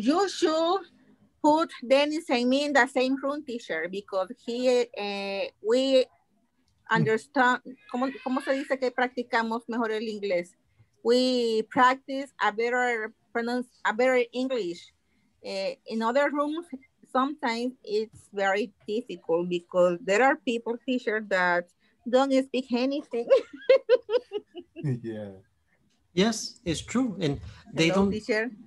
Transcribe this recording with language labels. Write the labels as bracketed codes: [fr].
[en] You should put Dennis and me in the same room, teacher, because we understand. [es] ¿Cómo se dice que practicamos mejor el inglés? [en] We practice a better English. In other rooms, sometimes it's very difficult because there are people, teacher, that don't speak anything. Yeah. Yes, it's true. And they hello, Teacher.